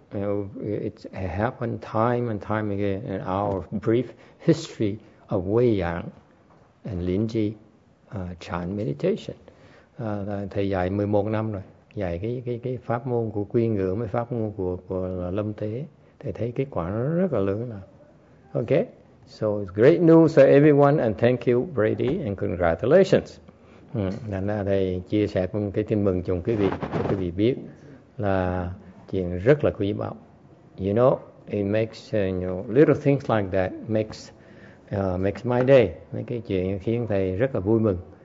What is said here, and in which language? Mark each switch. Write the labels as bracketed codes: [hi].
[en] You know, it happened time and time again in our brief history of Weiyang and Linji Chan meditation. [vi] Thầy dạy 11 năm rồi, dạy cái pháp môn của quy ngữ với pháp môn của Lâm Tế. Thầy thấy kết quả nó rất là lớn. [en] Okay, so it's great news for everyone and thank you Brady and congratulations. [vi] Thầy chia sẻ một cái tin mừng cho quý vị, cho quý vị biết là chuyện rất là quý báu. [en] You know, it makes you know, little things like that makes my day. [vi] Mấy cái chuyện khiến thầy rất là vui mừng.